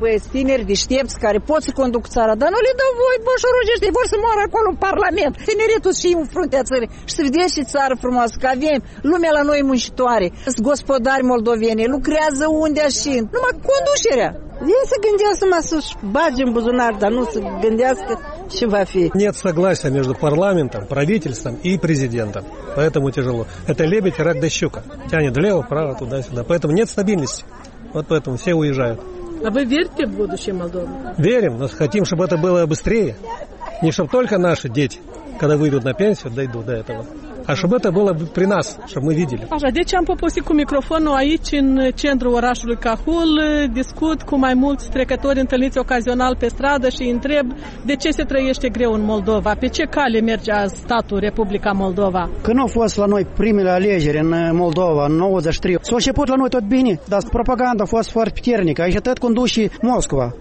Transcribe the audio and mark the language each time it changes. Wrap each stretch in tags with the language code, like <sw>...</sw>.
<ro>Băi, tineri deștepți care pot să conduc țara, dar nu le dau voi, băsuroși ăștia, vor să moară acolo în Parlament. Tineretul și în fruntea țării. Și să vedeți și țară frumoasă, că avem lumea la noi muncitoare. Sunt gospodari moldoveni, lucrează unde și numai conducerea. Ei se gândească mă să-și bage în buzunar, dar nu se gândească ce va fi.</ro> <ru>Нет согласия между парламентом, правительством и президентом. Поэтому тяжело. Это лебедь, рак да щука. Тянет влево, вправо, туда-сюда. Поэтому нет стабильности. Вот поэтому все уезжают. А вы верите в будущее Молдовы? Верим, но хотим, чтобы это было быстрее. Не чтобы только наши дети, когда выйдут на пенсию, дойдут до этого. А чтобы это было при нас, чтобы мы видели.</ru> <ro>Așa, deci am poposit cu microfonul aici în centrul orașului Cahul, discut cu mai mulți trecători întâlniți ocazional pe stradă și întreb de ce se trăiește greu în Moldova, pe ce cale merge azi statul Republica Moldova. Când au fost la noi primele alegeri în Moldova, în 93, s-a început la noi tot bine, dar propaganda a fost foarte puternică, aici tot conduce Moscova.</ro>